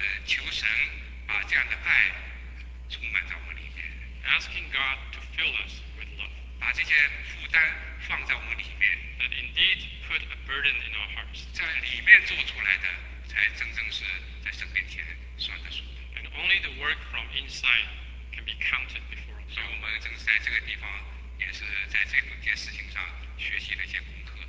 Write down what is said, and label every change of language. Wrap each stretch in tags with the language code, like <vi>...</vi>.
<zh>求神把这样的爱充满在我们里面。</zh> <en>Asking God to fill us.</en> <zh>把这些负担放在我们里面</zh> <en>，That indeed put a burden in our hearts，</en> <zh>在里面做出来的才真正是在神面前算得数的。</zh> <en>And only the work from inside can be counted before。</en> <zh>所以我们正是在这个地方，也是在这件事情上学习了一些功课。</zh>